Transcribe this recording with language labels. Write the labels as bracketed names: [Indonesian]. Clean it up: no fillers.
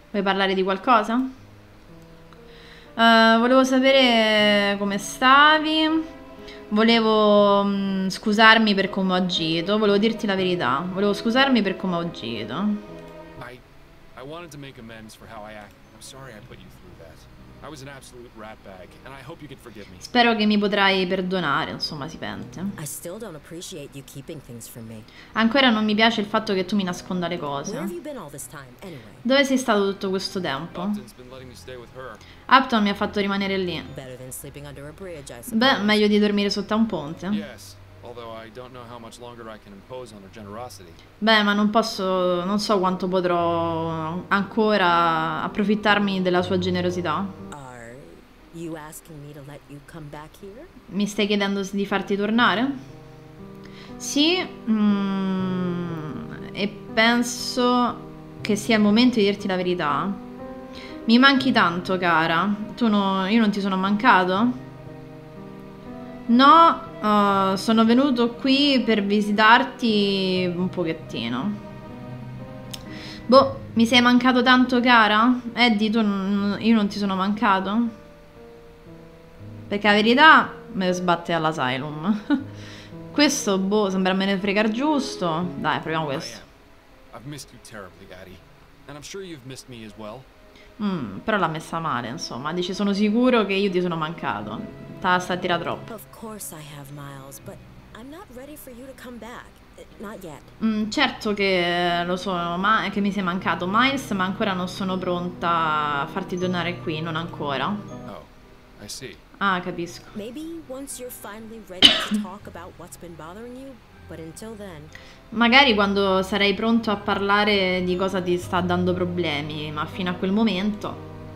[Italian] Vuoi parlare di qualcosa? Volevo sapere come stavi. Volevo scusarmi per come ho agito. Volevo dirti la verità. Volevo scusarmi per come ho agito. [English] I wanted to make amends for how I acted. I'm sorry I put you through that. I was an absolute ratbag, and I hope you can forgive me. [Italian] Spero che mi potrai perdonare, insomma, si pente. [English] I still don't appreciate you keeping things from me. [Italian] Ancora non mi piace il fatto che tu mi nasconda le cose. [English] Where have you been all this time, anyway? [Italian] Dove sei stato tutto questo tempo? [English] Upton's been letting me stay with her. [Italian] Upton mi ha fatto rimanere lì. [English] Better than sleeping under a bridge, I suppose. [Italian] Beh, meglio di dormire sotto a un ponte. [English] Yes. Although I don't know how much longer I can impose on her generosity. [Italian] Beh, ma non posso, non so quanto potrò ancora approfittarmi della sua generosità. [English] Are you asking me to let you come back here? [Italian] Mi stai chiedendo di farti tornare? Sì, e penso che sia il momento di dirti la verità. Mi manchi tanto, cara. Tu no, io non ti sono mancato? No, sono venuto qui per visitarti un pochettino. Boh, mi sei mancato tanto, cara? Eddie, tu io non ti sono mancato? Perché la verità me ne sbatte all'asylum. Questo, boh, sembra me ne fregar giusto. Dai, proviamo questo. [English] I've missed you terribly, Addie. And I'm sure you've missed me as well. [Italian] Però l'ha messa male, insomma. Dice, sono sicuro che io ti sono mancato. Tasta tira troppo. [English] Of course I have Miles, but I'm not ready for you to come back. Not yet. [Italian] Certo che lo so, ma che mi sei mancato, Miles, ma ancora non sono pronta a farti tornare qui, non ancora. [English] Oh, I see. [Italian] Ah, capisco. [English] Maybe once you're finally ready to talk about what's been bothering you, but until then. [Italian] Magari quando sarai pronto a parlare di cosa ti sta dando problemi, ma fino a quel momento.